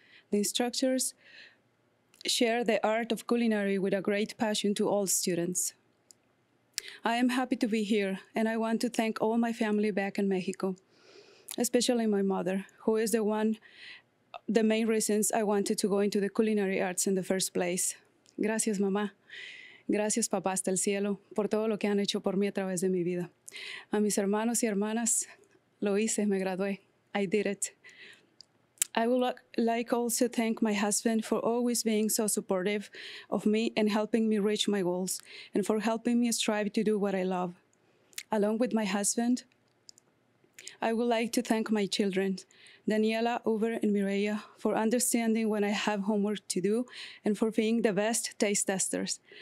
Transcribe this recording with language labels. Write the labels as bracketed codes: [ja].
[en] The instructors share the art of culinary with a great passion to all students. I am happy to be here, and I want to thank all my family back in Mexico, especially my mother, who is the main reasons I wanted to go into the culinary arts in the first place. [es] Gracias, mamá. Gracias, papá, hasta el cielo, por todo lo que han hecho por mí a través de mi vida. A mis hermanos y hermanas, lo hice, me gradué. [en] I did it. I would like also thank my husband for always being so supportive of me and helping me reach my goals and for helping me strive to do what I love. Along with my husband, I would like to thank my children, Daniela, Uber, and Mireia, for understanding when I have homework to do and for being the best taste testers.